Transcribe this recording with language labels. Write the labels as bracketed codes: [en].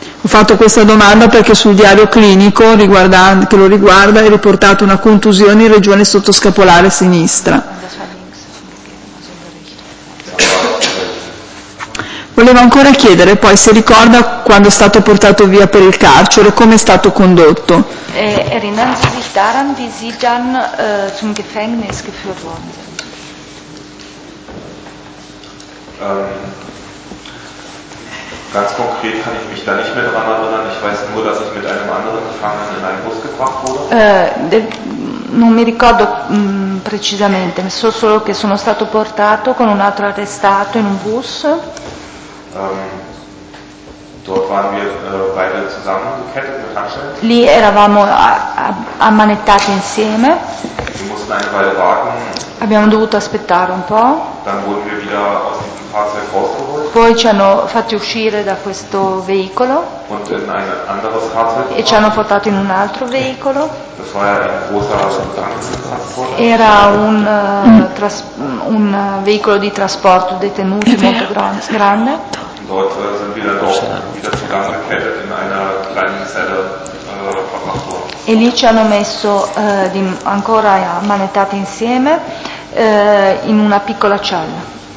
[it] Ho fatto questa domanda perché sul diario clinico che lo riguarda è riportata una contusione in regione sottoscapolare sinistra. Volevo ancora chiedere poi se ricorda quando è stato portato via per il carcere, come è stato condotto. [de] Erinnern Sie sich daran, wie Sie dann zum Gefängnis geführt worden sind? Ganz konkret kann ich mich da nicht mehr dran erinnern. Ich weiß nur, dass ich mit einem anderen Gefangenen in einen Bus gebracht wurde. [it] Non mi ricordo precisamente, so solo che sono stato portato con un altro arrestato in un bus. [de] Dort waren wir beide zusammengekettet mit Handschellen. [it] Lì eravamo ammanettati insieme. [de] Wir mussten eine Weile warten. [it] Abbiamo dovuto aspettare un po'. [de] Dann wurden wir wieder aus dem Fahrzeug rausgeholt. [it] Poi ci hanno fatti uscire da questo veicolo. [de] Und in ein anderes Fahrzeug. [it] E ci hanno portato in un altro veicolo. [de] Das war ja ein großer Tanktransport. [it] Era un un veicolo di trasporto detenuti molto grande. [de] Dort sind wir dann doch wieder zusammengekettet in einer kleinen Zelle verbracht worden. [it] E lì ci hanno messo ancora ammanettati insieme in una piccola cella.